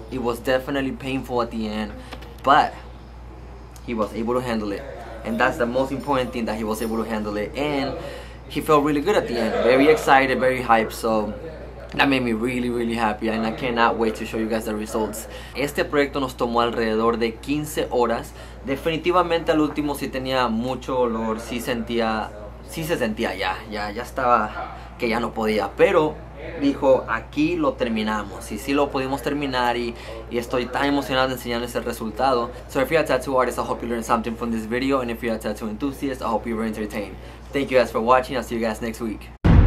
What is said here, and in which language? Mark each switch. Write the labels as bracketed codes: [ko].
[en] It was definitely painful at the end, but he was able to handle it. And that's the most important thing, that he was able to handle it. And he felt really good at the end. Very excited, very hyped. So that made me really, really happy. And I cannot wait to show you guys the results. [es] Este proyecto nos tomó alrededor de 15 horas. Definitivamente al último sí tenía mucho olor, sí se sentía ya estaba que ya no podía, pero dijo aquí lo terminamos y sí lo pudimos terminar y estoy tan emocionado de enseñarles el resultado. [en] So if you're a tattoo artist, I hope you learned something from this video, and if you're a tattoo enthusiast, I hope you were entertained. Thank you guys for watching. I'll see you guys next week.